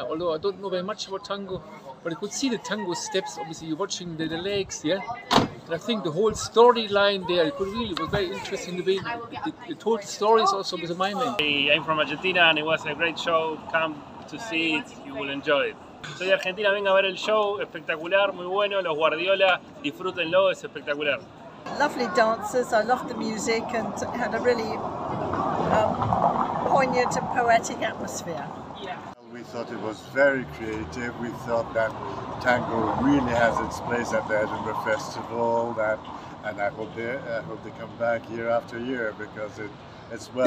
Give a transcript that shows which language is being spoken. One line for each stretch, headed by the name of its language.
English: Although I don't know very much about tango. But I could see the tango steps, obviously you're watching the legs, yeah? And I think the whole storyline there, it could really was very interesting to be the told stories also with the mime. I'm from Argentina and it was a great show. Come to see it, you will enjoy it.
Spanish: Soy de Argentina, venga a ver el show, espectacular, muy bueno, los Guardiola, disfrútenlo, es espectacular.
English: Lovely dancers, I love the music and had a really poignant and poetic atmosphere. We thought it was very creative. We thought that tango really has its place at the Edinburgh Festival, that, and I hope they come back year after year because it's well